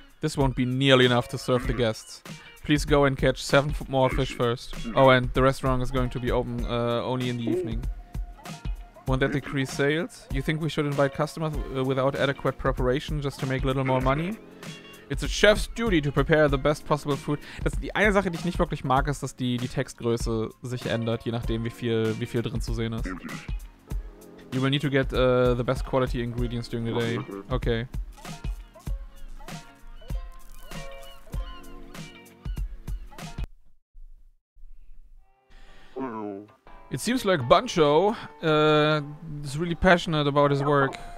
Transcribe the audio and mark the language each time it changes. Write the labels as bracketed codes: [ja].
[en] This won't be nearly enough to serve the guests. Please go and catch 7 more fish first. Oh, and the restaurant is going to be open only in the evening. Won't that decrease sales? You think we should invite customers without adequate preparation just to make a little more money? It's a chef's duty to prepare the best possible food. [de] Das, die eine Sache, die ich nicht wirklich mag, ist, dass die Textgröße sich ändert, je nachdem, wie viel drin zu sehen ist. [en] You will need to get the best quality ingredients during the day. Okay. It seems like Buncho is really passionate about his work.